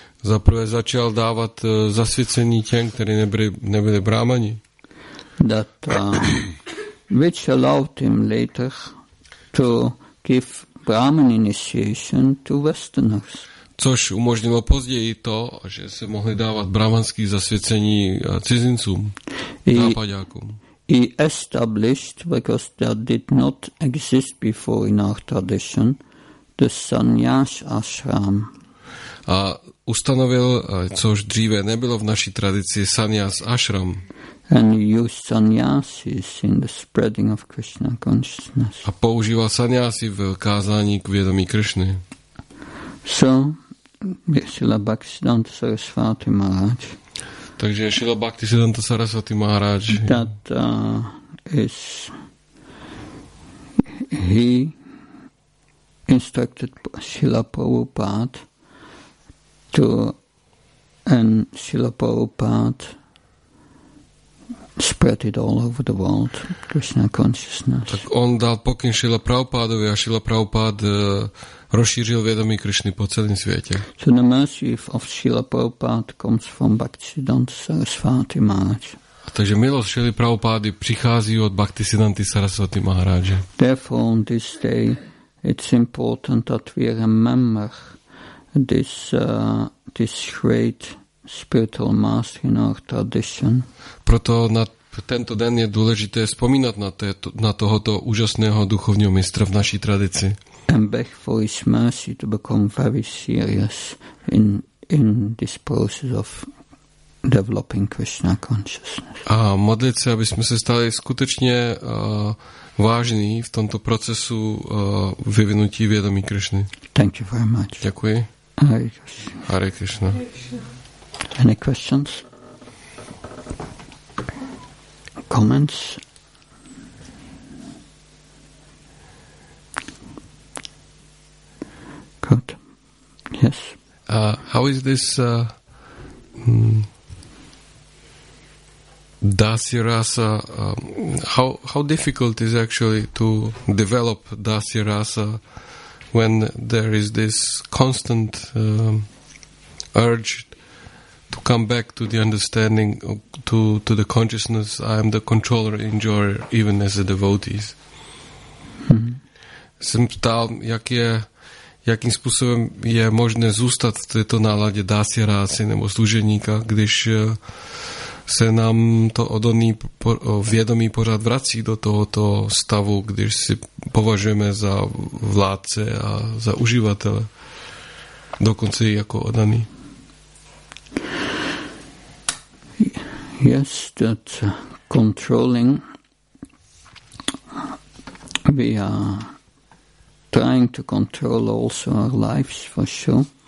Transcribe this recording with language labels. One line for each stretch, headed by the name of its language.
Czech: Zaprvé začal dávat zasvěcení těm, kteří nebyli brahmani.
English: That, which allowed him later to give Brahmin initiation to Westerners.
Czech: Což umožnilo později to, že se mohli dávat brahmanské zasvěcení cizincům, západňákům.
English: He established, because that did not exist before in our tradition, the sannyas ashram.
Czech: A ustanovil, což dříve nebylo v naší tradici, sannyas ashram.
English: And used sannyasis in the spreading of Krishna consciousness.
Czech: A používal sannyasi v kázání k vědomí Krishny.
English: So, Srila Bhaktisiddhanta Sarasvati Maharaj.
Czech: Takže Srila Bhaktisiddhanta Sarasvati Maharaj.
English: That is he instructed Srila Prabhupada to and Srila Prabhupada spread it all over the world, Krishna consciousness.
Czech: Tak on dal pokyn Srila Prabhupadovi a Srila Prabhupad rozšířil vědomí Krishny po celém světě.
English: So the mercy of Srila Prabhupada comes from Bhaktisiddhanta Sarasvati Maharaj.
Czech: A takže milost Srila Prabhupady přichází od Bhaktisiddhanty Sarasvati Maharaja.
English: Therefore on this day it's important that we remember this great spiritual master in our tradition.
Czech: Proto na tento den je důležité vzpomínat na tohoto úžasného duchovního mistra v naší tradici.
English: And beg for his mercy to become very serious in this process of developing Krishna consciousness.
Czech: A modlit se, aby jsme se stali skutečně vážní v tomto procesu vyvinutí vědomí Krishny.
English: Thank you very much.
Czech: Děkuji. Hare Krishna. Hare Krishna.
English: Any questions? Comments? Good. Yes. How is this Dasya Rasa, how difficult is actually to develop Dasya Rasa when there is this constant urge to come back to the understanding, to the consciousness, I am the controller, enjoyer, even as a devotee.
Czech: Jsem ptal, jakým způsobem je možné zůstat v této náladě Dasya Rasy nebo služeníka, když se nám to odolné vědomí pořád vrací do tohoto stavu, když si považujeme za vládce a za uživatele, dokonce i jako odolný.
English: Yes, that controlling, we are trying to control also our lives for sure.